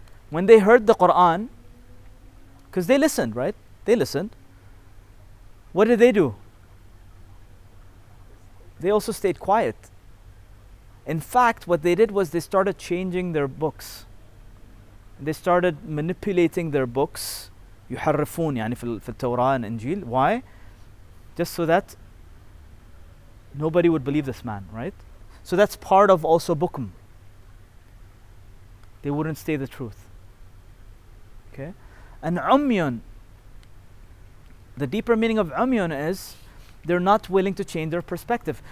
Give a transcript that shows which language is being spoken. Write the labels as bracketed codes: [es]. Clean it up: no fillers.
[en] When they heard the Quran, because they listened, right? They listened. What did they do? They also stayed quiet. In fact, what they did was they started changing their books. They started manipulating their books. [ar] يُحَرِّفُونَ يعني في التوراة والإنجيل. [en] Why? Just so that nobody would believe this man, right? So that's part of also Bukum. They wouldn't say the truth. Okay? And عُمْيُن. The deeper meaning of umyun is they're not willing to change their perspective.